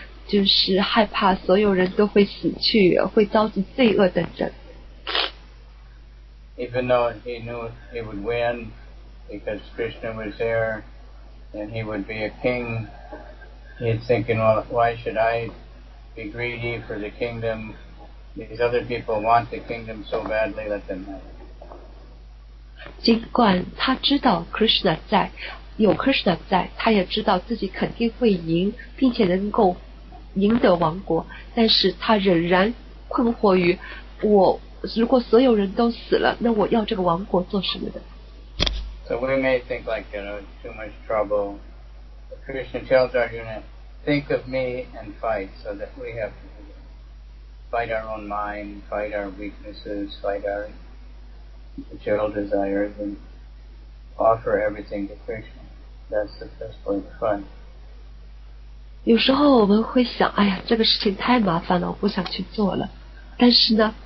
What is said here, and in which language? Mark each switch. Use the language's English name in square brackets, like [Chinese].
[Chinese] 就是害怕所有人都会死去，会遭受罪恶等等。 [English] Even though he knew he would win because Krishna was there and he would be a king, he's thinking, well, why should I be greedy for the kingdom? These other people want the kingdom so badly, let them have it. [Chinese] 尽管他知道 Krishna 在，有 Krishna 在，他也知道自己肯定会赢，并且能够赢得王国，但是他仍然困惑于我。如果所有人都死了，那我要这个王国做什么的 [English] ？So we may think like you know too much trouble. Krishna tells Arjuna, think of me and fight, so that we have to fight our own mind, fight our weaknesses, fight our material desires, and offer everything to Krishna. That's the best way to fight. [Chinese] 有时候我们会想，哎呀，这个事情太麻烦了，我不想去做了。但是呢？